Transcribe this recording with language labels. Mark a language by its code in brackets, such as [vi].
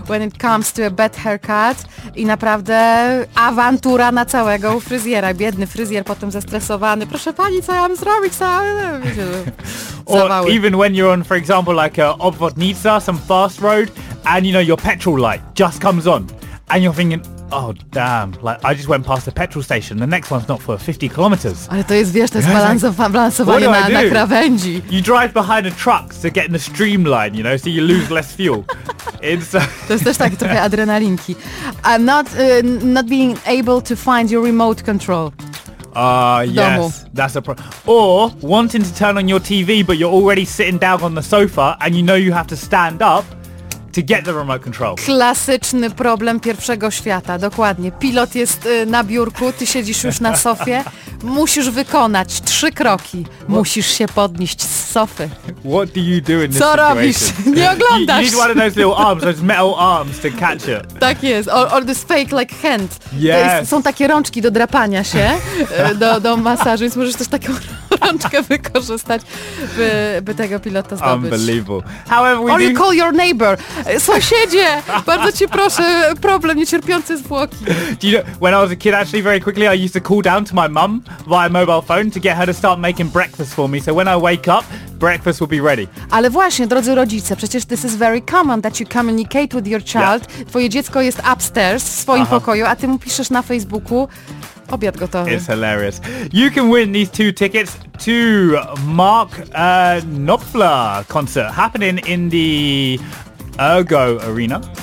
[en] when it comes to a bad haircut [pl] i naprawdę awantura na całego u fryzjera, biedny fryzjer potem zestresowany, proszę pani, co ja mam zrobić, co ja mam [en] Or even when you're on, for example, like a obwodnica, some fast road, and you know, your petrol light just comes on. And you're thinking, oh damn, like I just went past the petrol station, the next one's not for 50 kilometers. [pl] Ale to jest, wiesz, to jest balansowanie na krawędzi. [en] You drive behind a truck to get in the streamline, you know, so you lose less fuel. [pl] To jest też takie trochę adrenalinki. [en] I'm not being able to find your remote control. Yes, that's a problem. Or wanting to turn on your TV, but you're already sitting down on the sofa and you know you have to stand up. To get the remote control. [pl] Klasyczny problem pierwszego świata, dokładnie. Pilot jest na biurku, ty siedzisz już na sofie. Musisz wykonać 3 kroki. Musisz się podnieść z sofy. [en] What do you do in this [pl] Co [en] situation? [pl] Robisz? Nie oglądasz. [en] You need one of those little arms, those metal arms to catch it. [pl] Tak jest. [en] Or this fake like hand. Yes. [pl] Są takie rączki do drapania się, do masażu, więc możesz też taką rączkę wykorzystać, by tego pilota zdobyć. [en] Unbelievable. However, we Or you call your neighbor. [pl] Sąsiedzie, bardzo ci proszę, problem, niecierpiące zwłoki. [en] Do you know, when I was a kid, actually, very quickly, I used to call down to my mum via mobile phone to get her to start making breakfast for me. So when I wake up, breakfast will be ready. [pl] Ale właśnie, drodzy rodzice, przecież [en] this is very common that you communicate with your child. Yeah. [pl] Twoje dziecko jest upstairs w swoim pokoju, a ty mu piszesz na Facebooku, obiad gotowy. [en] It's hilarious. You can win these two tickets to Mark Knopfler concert happening in the Ergo Arena.